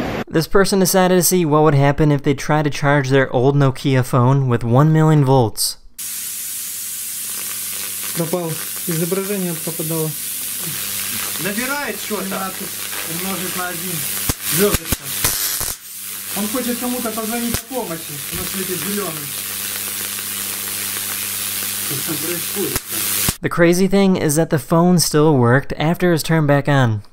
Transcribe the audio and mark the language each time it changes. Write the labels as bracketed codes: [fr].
[en] This person decided to see what would happen if they tried to charge their old Nokia phone with 1 million volts. [ru] Пропал. Изображение пропадало. Набирает что-то. Умножить на 1. Звёздочка. Он хочет кому-то позвонить о помощи. У нас летит зелёный. Что происходит? [en] The crazy thing is that the phone still worked after it was turned back on.